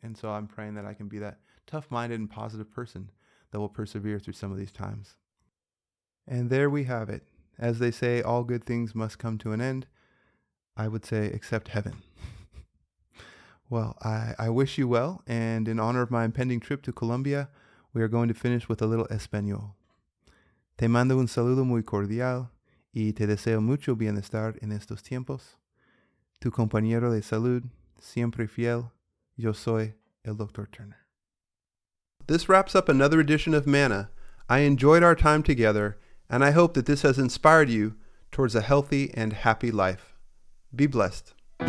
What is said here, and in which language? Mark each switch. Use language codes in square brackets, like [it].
[en] And so I'm praying that I can be that tough-minded and positive person that will persevere through some of these times. And there we have it. As they say, all good things must come to an end. I would say, except heaven. Well, I wish you well, and in honor of my impending trip to Colombia, we are going to finish with a little Espanol. [es] Te mando un saludo muy cordial, y te deseo mucho bienestar en estos tiempos. Tu compañero de salud, siempre fiel, yo soy el Dr. [en] Turner. This wraps up another edition of Mana. I enjoyed our time together, and I hope that this has inspired you towards a healthy and happy life. Be blessed.